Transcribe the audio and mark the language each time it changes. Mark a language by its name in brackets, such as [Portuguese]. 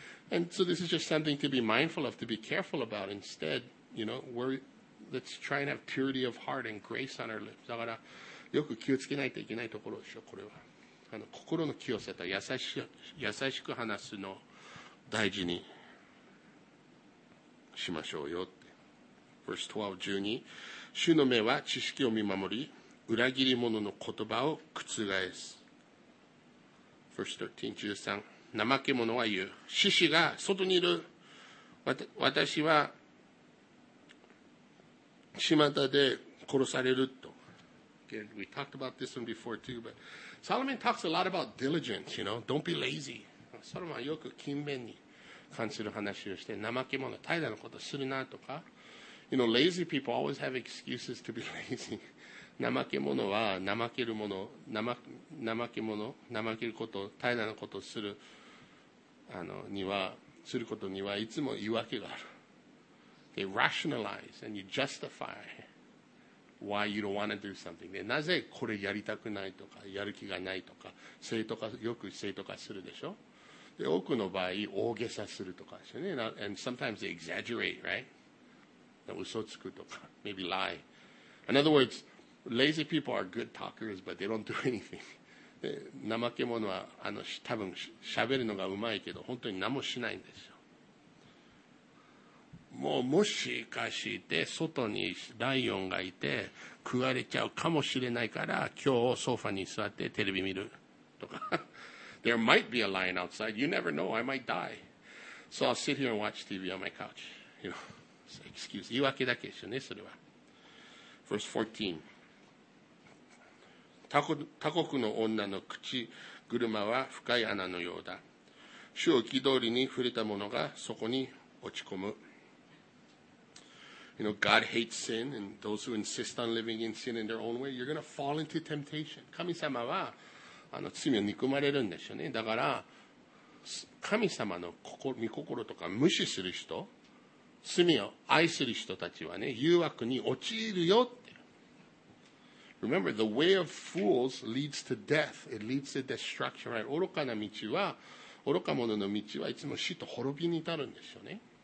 [English] And so this is just something to be mindful of, to be careful about. Instead, you know, let's try and have purity of heart and grace on our lips. [Japanese] だからよく気をつけないといけないところでしょ。これは心の清さと優しく話すの大事にしましょうよって。 [English] Verse 12, 12. [Japanese] 主の目は知識を見守り、裏切り者の言葉を覆す。 [English] Verse 13, [Japanese] 13. 怠け者は言う。獅子が外にいる。私は巷で殺されると。 [English] Again, we talked about this one before too, but Solomon talks a lot about diligence, you know. Don't be lazy. [Japanese] ソロモンはよく勤勉に関する話をして、怠け者、怠惰のことするなとか。 [English] You know, lazy people always have excuses to be lazy. [Japanese] 怠け者は怠けるもの、怠け者、怠けること、怠惰なことをするには、することにはいつも言い訳がある。 [English] They rationalize and you justify why you don't want to do something. [Japanese] で、なぜこれやりたくないとか、やる気がないとか、正当化、よく正当化するでしょ。で、多くの場合、大げさするとかですよね。 [English] And sometimes they exaggerate, right? [Japanese] 嘘つくとか、 [English] maybe lie. In other words, lazy people are good talkers, but they don't do anything. [Japanese] で、怠け者は、多分、喋るのがうまいけど、本当に何もしないんですよ。もうもしかして外にライオンがいて食われちゃうかもしれないから今日ソファに座ってテレビ見るとか。 [English] There might be a lion outside. You never know. I might die. So I'll sit here and watch TV on my couch. You know, so excuse. [Japanese] 言い訳だけですよね、それは。 [English] Verse 14. [Japanese] 他国の女の口車は深い穴のようだ。主を気通りに触れた者がそこに落ち込む。 [English] You know, God hates sin, and those who insist on living in sin in their own way, you're going to fall into temptation. [Japanese] 神様は罪を憎まれるんですよね。だから神様の心御心とか無視する人、罪を愛する人たちはね、誘惑に陥るよって。 [English] Remember, the way of fools leads to death. It leads to destruction. Right? [Japanese] 愚かな道は、愚か者の道はいつも死と滅びに至るんですよね。